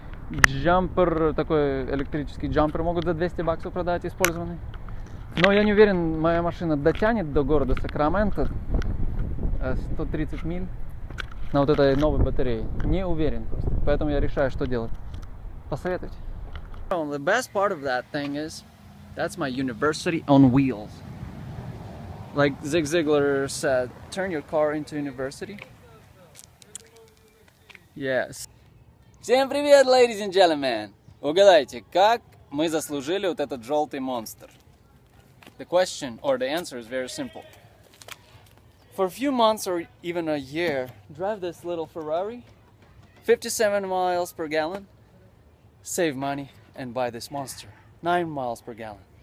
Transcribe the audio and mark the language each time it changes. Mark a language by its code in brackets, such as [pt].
[ru] Джампер, такой электрический джампер, могут за 200 баксов продать использованный. Но я не уверен, моя машина дотянет до города Сакраменто 130 миль на вот этой новой батарее. Не уверен просто. Поэтому я решаю, что делать. Посоветуйте. [en] The best part of that thing is that's my university on wheels. Like Zig Ziglar said, turn your car into university. Yes. [ru] Всем привет, [en] ladies and gentlemen! [ru] Угадайте, как мы заслужили вот этот желтый монстр? [en] The question or the answer is very simple. For a few months or even a year, drive this little Ferrari, 57 miles per gallon, save money and buy this monster, 9 miles per gallon.